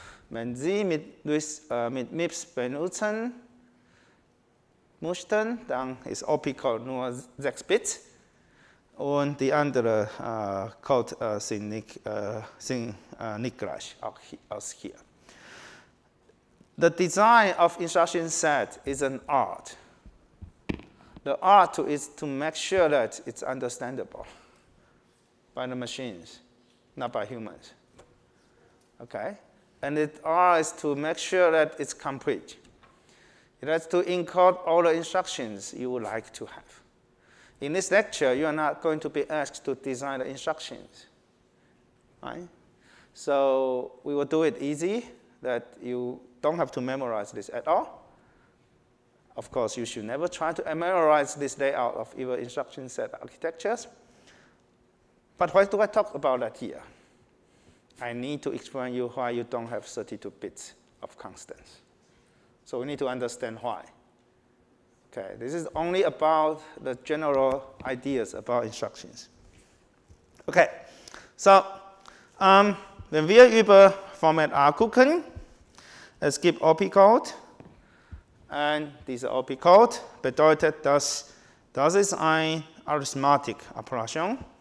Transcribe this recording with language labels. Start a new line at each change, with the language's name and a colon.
German: Wenn Sie mit, mit MIPS benutzen, mussten, dann ist OP-Code nur 6 Bits und die anderen Code sind nicht gleich aus hier.
English: The design of instruction set is an art. The art is to make sure that it's understandable by the machines, not by humans. Okay? And the art is to make sure that it's complete. It has to encode all the instructions you would like to have. In this lecture, you are not going to be asked to design the instructions, right? So we will do it easy that you don't have to memorize this at all. Of course, you should never try to memorize this layout of either instruction set architectures. But why do I talk about that here? I need to explain you why you don't have 32 bits of constants. So we need to understand why. Okay, this is only about the general ideas about instructions.
German: Okay, so wenn wir über Format A gucken, es gibt OP-Code. Und dieser OP-Code bedeutet, dass das ist eine arithmetische Operation.